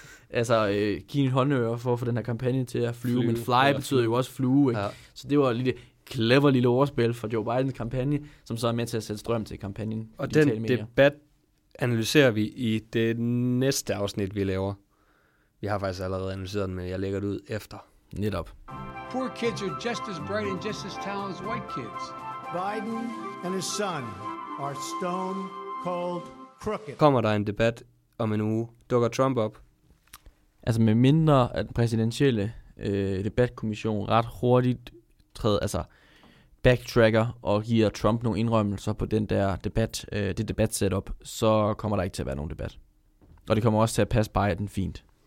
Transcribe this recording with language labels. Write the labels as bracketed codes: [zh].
[da] Altså, giv en håndører for at få den her kampagne til at flyve. Men fly betyder jo også flue, ikke? Ja. Så det var lidt clever lille overspil for Joe Bidens kampagne, som så er med til at sætte strøm til kampagnen. Og den debat analyserer vi i det næste afsnit, vi laver. Vi har faktisk allerede analyseret den, men jeg lægger det ud efter. Netop. [en] Poor kids are just as bright and just as talented as white kids. Biden and his son are stone cold crooked. [da] Kommer der en debat om en uge? Dukker Trump op? Altså, med mindre at den præsidentielle debatkommission ret hurtigt træder, altså backtracker og giver Trump nogle indrømmelser på den der debat, det debatsetup, så kommer der ikke til at være nogen debat. Og det kommer også til at passe Biden fint.